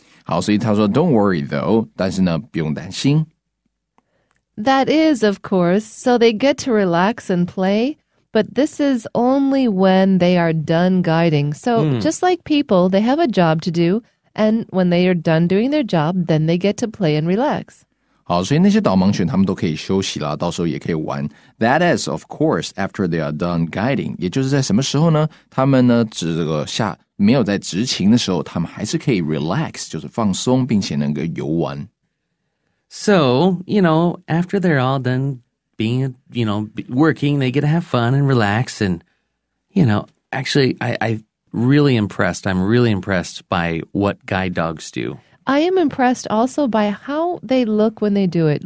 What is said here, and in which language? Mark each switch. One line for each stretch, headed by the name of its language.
Chinese: 好,所以他说, don't worry, though. 但是呢,不用担心。
English: That is, of course, so they get to relax and play, but this is only when they are done guiding. So just like people, they have a job to do, and when they are done doing their job, then they get to play and relax.
Chinese: 好，所以那些导盲犬他们都可以休息啦，到时候也可以玩。
English: That is, of course, after they are done guiding.
Chinese: 也就是在什么时候呢？他们呢，指这个下，没有在执勤的时候，他们还是可以 relax, 就是放松，并且能够游玩。
English: So, you know, after they're all done being, you know, working, they get to have fun and relax. And, you know, actually, I'm really impressed by what guide dogs do. I am impressed also by how they look when they do it.